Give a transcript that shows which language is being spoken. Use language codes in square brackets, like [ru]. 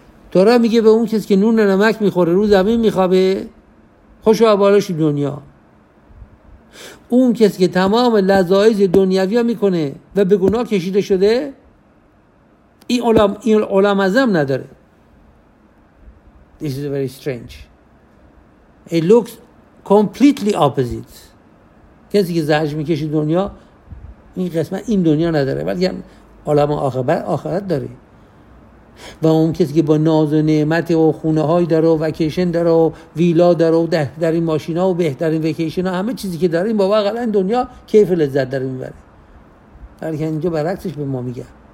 [fa] تورا میگه به اون کسی که نون نمک میخوره رو زمین میخوابه خوشا به حالش دنیا، اون کسی که تمام لذایز دنیاوی میکنه و به گناه کشیده شده این علم ازم نداره. [en] This is very strange. It looks completely opposite. [fa] کسی که زجر میکشه دنیا این قسمت این دنیا نداره، ولی هم عالم آخرت داره. و اون کسی که با ناز و نعمت و خونه های داره و وکیشن داره و ویلا داره و بهترین ماشین ها و بهترین وکیشن ها همه چیزی که داره، این بابا اقلا دنیا کیف لذت داره میبره، ولی که اینجا برعکسش به ما میگه.